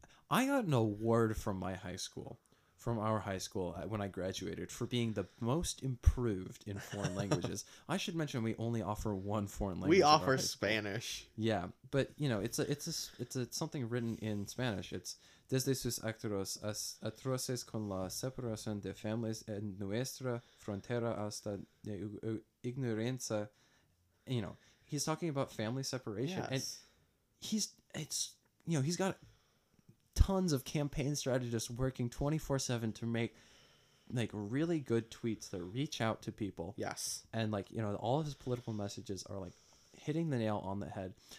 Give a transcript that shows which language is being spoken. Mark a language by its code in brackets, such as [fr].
[en] I got an award from my high school, from our high school, when I graduated, for being the most improved in foreign languages. I should mention we only offer one foreign language. We offer Spanish. Yeah, but you know, it's something written in Spanish. It's [es] desde sus actos atroces con la separación de familias en nuestra frontera hasta de ignorancia. [en] You know, he's talking about family separation, yes. And he's got tons of campaign strategists working 24/7 to make like really good tweets that reach out to people. Yes. And like, you know, all of his political messages are like hitting the nail on the head.